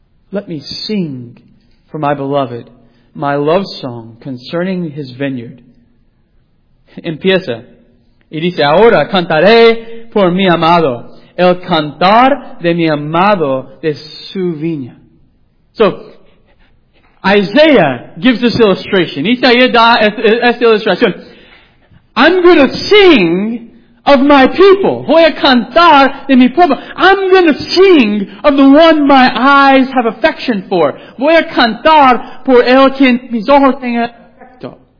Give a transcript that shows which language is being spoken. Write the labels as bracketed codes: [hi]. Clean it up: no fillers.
[en] Let me sing for my beloved my love song concerning his vineyard. [es] Empieza. Y dice, ahora cantaré por mi amado. El cantar de mi amado de su viña. [en] So, Isaiah gives this illustration. [es] Isaiah da esta ilustración. [en] I'm going to sing of my people. [es] Voy a cantar de mi pueblo. [en] I'm going to sing of the one my eyes have affection for. [es] Voy a cantar por el que mis ojos tengan afecto.